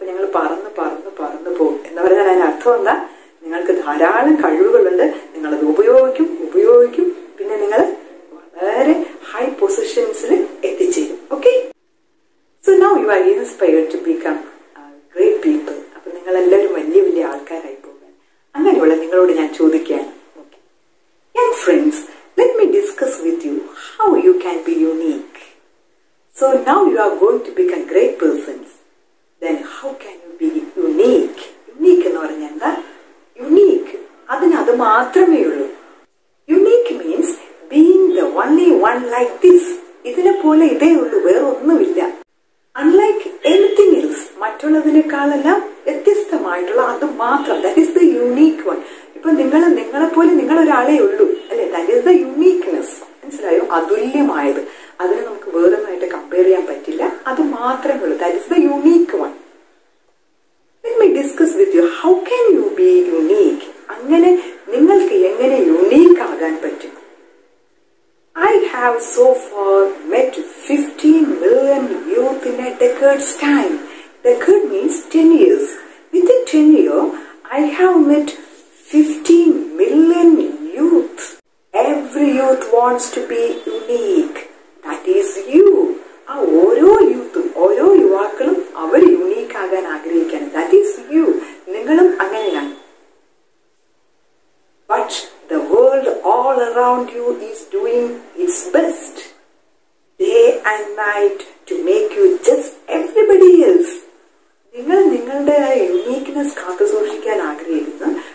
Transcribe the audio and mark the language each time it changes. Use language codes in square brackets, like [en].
[ml] അപ്പൊ ഞങ്ങൾ പറന്ന് പറന്ന് പറന്ന് പോകും എന്ന് പറഞ്ഞാൽ അതിന് അർത്ഥം എന്താ, നിങ്ങൾക്ക് ധാരാളം കഴിവുകളുണ്ട്, നിങ്ങളത് ഉപയോഗിക്കും ഉപയോഗിക്കും, പിന്നെ നിങ്ങൾ വളരെ ഹൈ പൊസിഷൻസിൽ എത്തിച്ചേരും. [en] Okay, so now you are inspired to become great people. [ml] അപ്പൊ നിങ്ങൾ എല്ലാവരും വലിയ വലിയ ആൾക്കാരായി പോകാൻ അങ്ങനെയുള്ള നിങ്ങളോട് ഞാൻ ചോദിക്കുകയാണ്. [en] Young friends, let me discuss with you how you can be unique. So now you are going to become great persons. Then how can you be unique? [ml] Unique എന്ന് പറഞ്ഞാൽ എന്താ? Unique. അതിനത് മാത്രമേ ഉള്ളൂ. [en] Unique means being the only one like this. [ml] ഇതിനെ പോലെ ഇതേ ഉള്ളൂ, വേറെ ഒന്നുമില്ല. [en] Unlike anything else, [ml] മറ്റുള്ളതിനേക്കാളെല്ലാം വ്യത്യസ്തമായിട്ടുള്ള അത് മാത്രം. [en] That is the unique one. [ml] ഇപ്പൊ നിങ്ങൾ നിങ്ങളെ പോലെ നിങ്ങളൊരാളേ ഉള്ളൂ അല്ലെ, [en] that is the uniqueness, [ml] മനസ്സിലായോ? അതുല്യമായത്, അതിനെ നമുക്ക് വേറെ ഒന്നായിട്ട് കമ്പയർ ചെയ്യാൻ പറ്റില്ല, അത് മാത്രമേ ഉള്ളൂ, [en] That is the unique one. Let me discuss with you how can you be unique. [ml] അങ്ങനെ നിങ്ങൾക്ക് എങ്ങനെ യുണീക് ആകാൻ പറ്റും? [en] I have so far met 15 million youth in a decade's time. Decade means 10 years. Within 10 years, I have met 15 million youth. Every youth wants to be unique. That is you. [ml] ഓരോ യൂത്തും ഓരോ യുവാക്കളും അവർ unique ആകാൻ ആഗ്രഹിക്കാൻ. [en] That is you. [ml] നിങ്ങളും അങ്ങനെയാണ്. [en] But the world all around you is doing its best day and night to make you just everybody else. [ml] നിങ്ങൾ നിങ്ങളുടെ uniqueness കാത്തു സൂക്ഷിക്കാൻ ആഗ്രഹിക്കുന്നു.